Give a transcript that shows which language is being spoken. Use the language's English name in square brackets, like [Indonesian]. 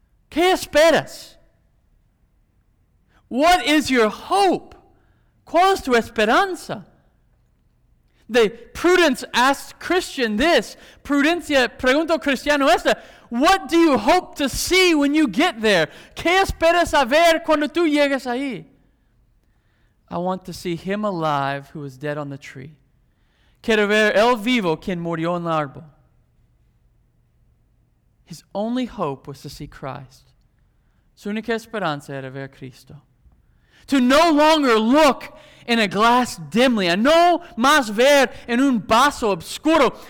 [Spanish] ¿Qué esperas? [English] What is your hope? [Spanish] ¿Cuál es tu esperanza? [English] The Prudence asked Christian this. [Spanish] Prudencia preguntó Cristiano esta. [English] What do you hope to see when you get there? [Spanish] ¿Qué esperas a ver cuando tú llegas ahí? [English] I want to see him alive who was dead on the tree. [Spanish] Quiero ver el vivo quien murió en el árbol. [English] His only hope was to see Christ. [Spanish] Su única esperanza era ver a Cristo. [English] To no longer look in a glass dimly. [Spanish] A no más ver en un vaso oscuro.